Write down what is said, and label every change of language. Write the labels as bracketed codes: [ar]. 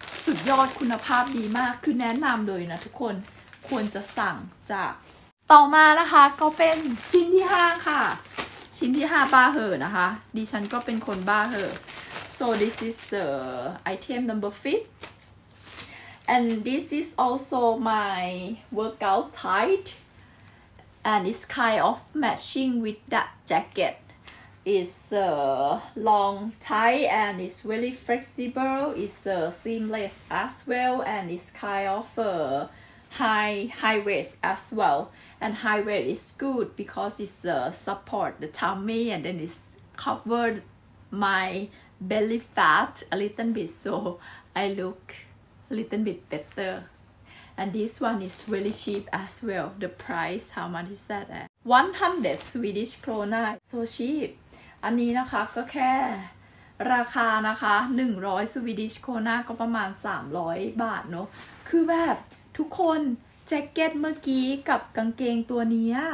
[th] สุดยอดคุณภาพดีมากคือแนะนำเลยนะทุกคนควรจะสั่งจากต่อมานะคะก็เป็นชิ้นที่5ค่ะชิ้นที่5บ้าเหอะนะคะดิฉันก็เป็นคนบ้าเหอะ [en] so this is the item number 5And this is also my workout tight, and it's kind of matching with that jacket. It's long tight and it's really flexible. It's seamless as well, and it's kind of high waist as well. And high waist is good because it's support the tummy and then it's covered my belly fat a little bit, so I look. Little bit better and this one is really cheap as well the price how much is that at 100 Swedish krona so cheap [th] อันนี้นะคะก็แค่ราคานะคะ100 Swedish krona ก็ประมาณ300บาทเนาะคือแบบทุกคนแจ็คเก็ตเมื่อกี้กับกางเกงตัวนี้